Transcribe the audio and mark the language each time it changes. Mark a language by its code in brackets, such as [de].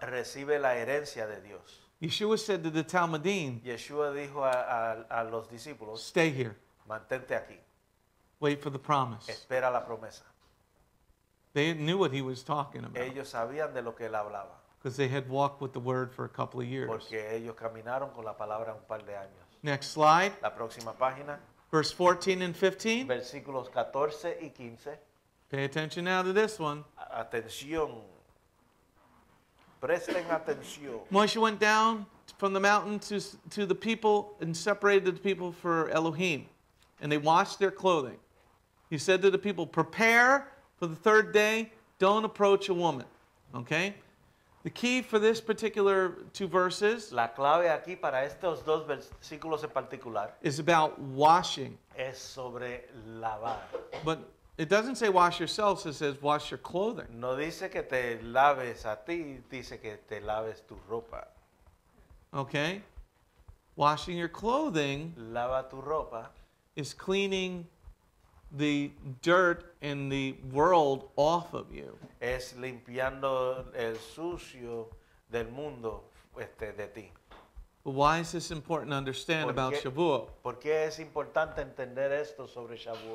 [es] Recibe la herencia de Dios. [en] Yeshua said to the Talmudim, [es] Yeshua dijo a los discípulos, [en] stay here. [es] Mantente aquí. [en] Wait for the promise. [es] Espera la promesa. [en] They knew what he was talking about. [es] Ellos sabían de lo que él hablaba. [en] Because they had walked with the word for a couple of years. [es] Porque ellos caminaron con la palabra un par de años. [en] Next slide. [es] La próxima página. [en] Verse 14 and 15. [es] Versículos 14 y 15. [en] Pay attention now to this one. [es] Atención. Presten atención. [en] Moshe went down from the mountain to the people and separated the people for Elohim. And they washed their clothing. He said to the people, prepare for the third day. Don't approach a woman. Okay? The key for this particular two verses, [es] la clave aquí para estos dos versículos en particular, [en] is about washing. [es] Es sobre lavar. [en] But it doesn't say wash yourselves, it says wash your clothing. [es] No dice que te laves a ti, dice que te laves tu ropa. [en] Okay? Washing your clothing, [es] lava tu ropa, [en] is cleaning the dirt in the world off of you. [es] Es limpiando el sucio del mundo de ti. [en] Why is this important to understand about Shavuot? [es] ¿Por qué es importante entender esto sobre Shavuot?